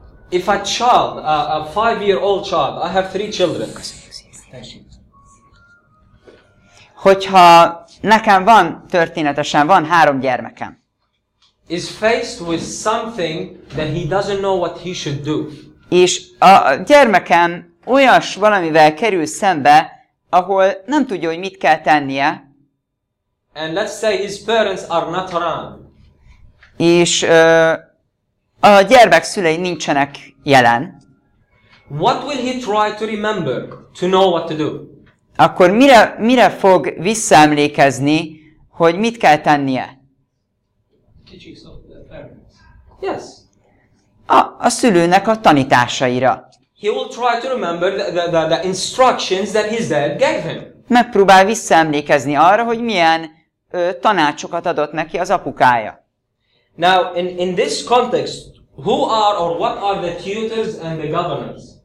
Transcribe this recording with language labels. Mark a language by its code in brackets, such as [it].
[en] If a child, a five-year-old child, I have three children. [hu] Hogyha nekem van, történetesen van három gyermekem. [en] Is faced with something that he doesn't know what he should do. [hu] És a gyermekem olyas valamivel kerül szembe, ahol nem tudja, hogy mit kell tennie. [en] And let's say his parents are not around. [hu] És a gyermek szülei nincsenek jelen. [en] What will he try to remember to know what to do? [hu] Akkor mire fog visszaemlékezni, hogy mit kell tennie? [en] Teachings of the parents. Yes. [hu] A szülőnek a tanításaira. [en] He will try to remember the instructions that his dad gave him. [hu] Megpróbál visszaemlékezni arra, hogy milyen tanácsokat adott neki az apukája. [en] Now, in this context, who are or what are the tutors and the governors?